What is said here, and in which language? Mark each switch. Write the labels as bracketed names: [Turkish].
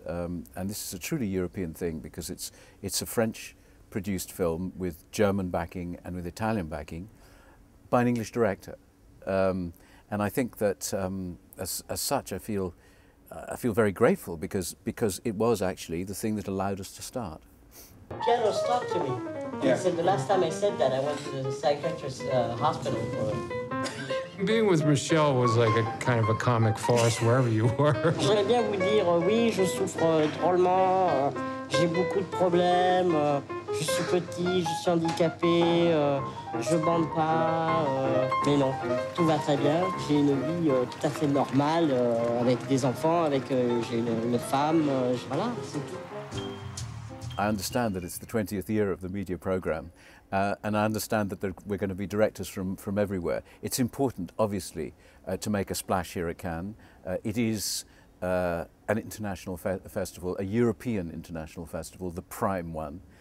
[English] And this is a truly European thing because it's a French-produced film with German backing and with Italian backing, by an English director, and I think that as such, I feel very grateful because it was actually the thing that allowed us to start. Piano stuck to me. Yeah. Said, the last time I said that, I went to the psychiatrist hospital for it. Being with Michel was like a kind of a comic farce wherever you were. [French] J'aimerais bien vous dire oui, je souffre drôlement, j'ai beaucoup de problèmes. Je suis petit, je suis handicapé, je bande pas, mais non, tout va très bien. J'ai une vie tout à fait normale, avec des enfants, avec j'ai une femme, voilà, c'est tout. [English] I understand that it's the 20th year of the media program, and I understand that we're going to be directors from everywhere. It's important, obviously, to make a splash here at Cannes. It is an international festival, a European international festival, the prime one.